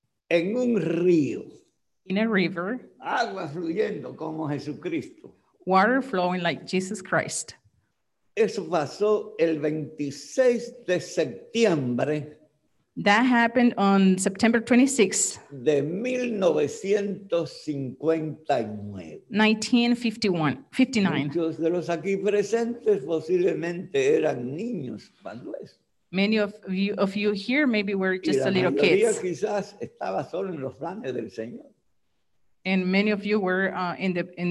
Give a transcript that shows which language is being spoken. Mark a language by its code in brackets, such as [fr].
[es] En un río. [en] In a river. [es] Agua fluyendo como Jesucristo. [en] Water flowing like Jesus Christ. [es] Eso pasó el 26 de septiembre. [en] That happened on September 26th. [es] De 1959. [en] 1959. [es] Muchos de los aquí presentes posiblemente eran niños cuando es. [en] Many of you here maybe were just a little kids. [es] Y la mayoría quizás estaba solo en los planes del Señor. [en] And many of you were in the.